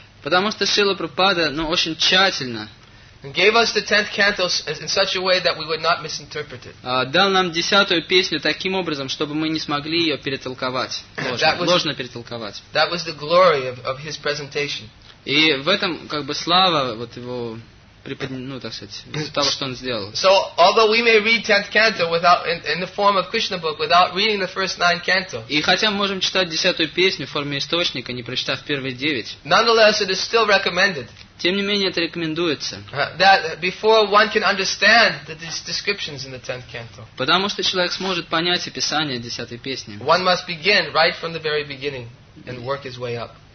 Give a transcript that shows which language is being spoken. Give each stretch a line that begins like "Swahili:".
Russian: Потому что Шрила Прабхупада, ну, очень тщательно.
English: Gave us the 10th canto in such a way that we would not misinterpret it.
Russian: Дал нам десятую песню таким образом, чтобы мы не смогли ее перетолковать. Ложно перетолковать.
English: That was the glory of his presentation.
Russian: И в этом как бы слава вот его. Ну, так сказать, из-за того, что он сделал.
English: So, although we may read 10th canto without in the form of Krishna book without reading the first 9 canto.
Russian: И хотя мы можем читать десятую песню в форме источника, не прочитав первые 9.
English: Nonetheless, it is still recommended.
Russian: Тем не менее, это рекомендуется.
English: That before one can understand the descriptions in the 10th canto.
Russian: Потому что человек сможет понять описание десятой песни.
English: One must begin right from the very beginning and work his way up.